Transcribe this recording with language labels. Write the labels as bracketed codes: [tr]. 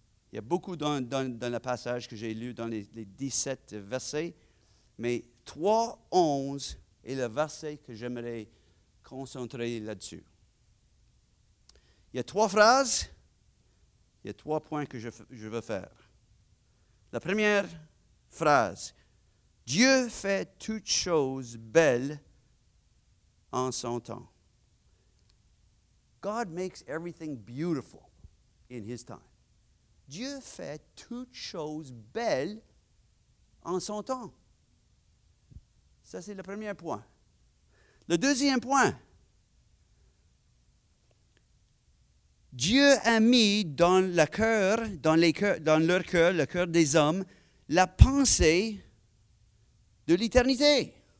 [fr] Il y a beaucoup dans le passage que j'ai lu dans les 17 versets, mais 3:11 est le verset que j'aimerais concentrer là-dessus. Il y a trois phrases, il y a trois points que je veux faire. La première phrase, Dieu fait toutes choses belles en son temps. [en] God makes everything beautiful in his time. [fr] Dieu fait toutes choses belles en son temps. Ça, c'est le premier point. Le deuxième point, Dieu a mis dans le cœur, dans leur cœur, le cœur des hommes, la pensée de l'éternité.